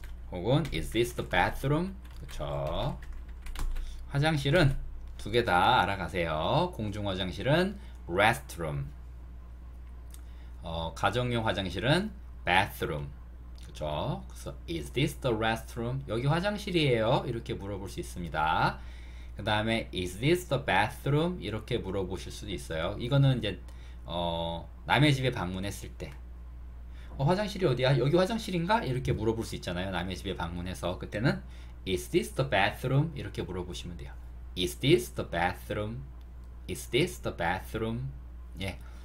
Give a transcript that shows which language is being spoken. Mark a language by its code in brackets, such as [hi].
[ko] 혹은, [en] is this the bathroom? [ko] 그쵸. 화장실은, 두개다 알아가세요. 공중 화장실은 restroom. 가정용 화장실은 bathroom. 그쵸? 그래서 [en] is this the restroom? [ko] 여기 화장실이에요. 이렇게 물어볼 수 있습니다. 그 다음에 [en] is this the bathroom? [ko] 이렇게 물어보실 수도 있어요. 이거는 이제 남의 집에 방문했을 때 화장실이 어디야? 여기 화장실인가? 이렇게 물어볼 수 있잖아요. 남의 집에 방문해서 그때는 [en] is this the bathroom? [ko] 이렇게 물어보시면 돼요. [en] Is this the bathroom? Is this the bathroom? [ko] 예.